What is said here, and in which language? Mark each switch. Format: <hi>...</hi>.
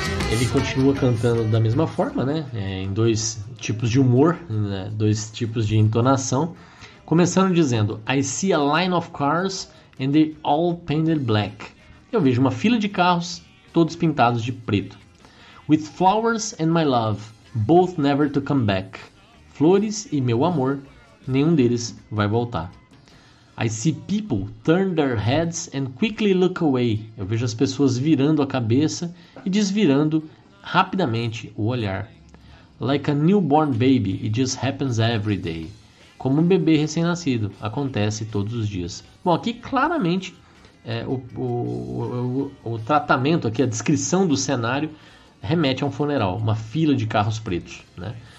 <pt>Ele continua cantando da mesma forma, né? Em dois tipos de humor, né? Dois tipos de entonação. Começando dizendo:</pt> <en>I see a line of cars and they're all painted black.</en> <pt>Eu vejo uma fila de carros, todos pintados de preto.</pt> <en>With flowers and my love, both never to come back.</en> <pt>Flores e meu amor, nenhum deles vai voltar.</pt> <en>I see people turn their heads and quickly look away.</en> <pt>Eu vejo as pessoas virando a cabeça e desvirando rapidamente o olhar.</pt> <en>Like a newborn baby, it just happens every day.</en> <pt>Como um bebê recém-nascido, acontece todos os dias. Bom, aqui claramente o tratamento aqui, a descrição do cenário, remete a um funeral, uma fila de carros pretos, né?</pt>